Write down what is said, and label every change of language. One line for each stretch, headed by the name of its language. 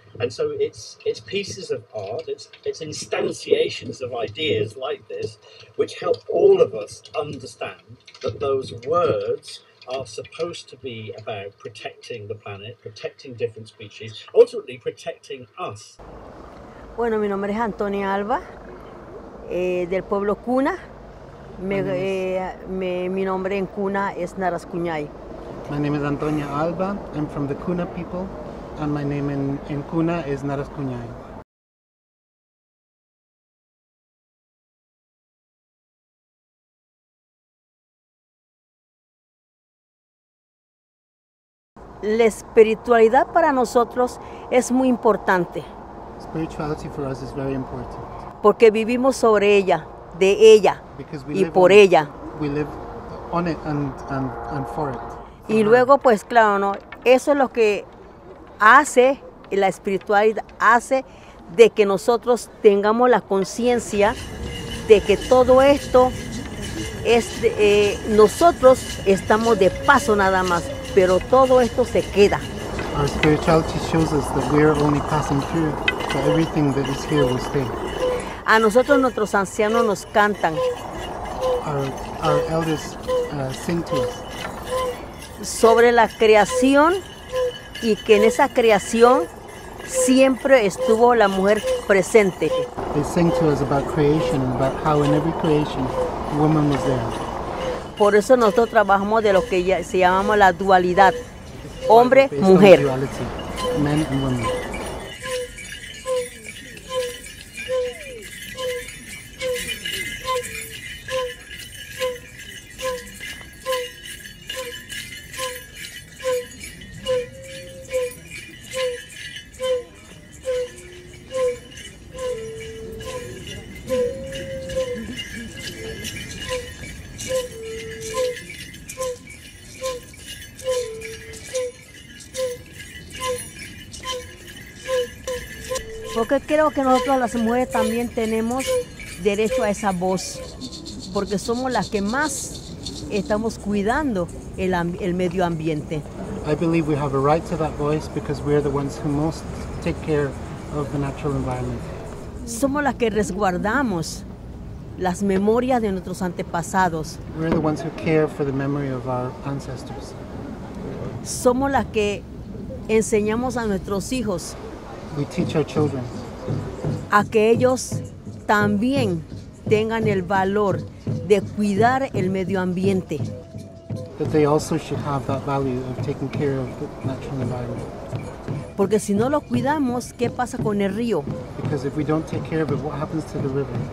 English: And so it's pieces of art, it's instantiations of ideas like this, which help all of us understand that those words are supposed to be about protecting the planet, protecting different species, ultimately protecting us.
Spanish: Bueno, mi nombre es Antonia Alba, del pueblo Cuna. Mi nombre en Cuna es Naraskunyai.
English: My name is Antonia Alba, I'm from the Cuna people, and my name in Cuna is Naraskunyai.
Spanish: La espiritualidad para nosotros es muy importante.
English: Spirituality for us is very important.
Spanish: Porque vivimos sobre ella, de ella y por ella.
English: We live on it and for it.
Spanish: Y luego, pues claro, ¿no? Eso es lo que hace, la espiritualidad hace de que nosotros tengamos la conciencia de que todo esto es de, nosotros estamos de paso nada más. Pero todo esto se queda.
English: Our spirituality shows us that we are only passing through, so everything that is here will stay.
Spanish: A nosotros nuestros ancianos nos cantan.
English: Our elders sing to us.
Spanish: Sobre la creación y que en esa creación siempre estuvo la mujer presente.
English: They sing to us about creation, about how in every creation the woman was there.
Spanish: Por eso nosotros trabajamos de lo que se llamamos la dualidad, hombre-mujer. Porque creo que nosotros las mujeres también tenemos derecho a esa voz, porque somos las que más estamos cuidando el medio ambiente.
English: I believe we have a right to that voice because we are the ones who most take care of the natural environment.
Spanish: Somos las que resguardamos las memorias de nuestros antepasados.
English: We're the ones who care for the memory of our ancestors.
Spanish: Somos las que enseñamos a nuestros hijos.
English: We teach our children.
Spanish: A que ellos también tengan el valor de cuidar el medio ambiente.
English: but they also should have that value of taking care of the natural environment.
Spanish: Porque si no lo cuidamos, ¿qué pasa con el río?
English: Because if we don't take care of it, what happens to the river?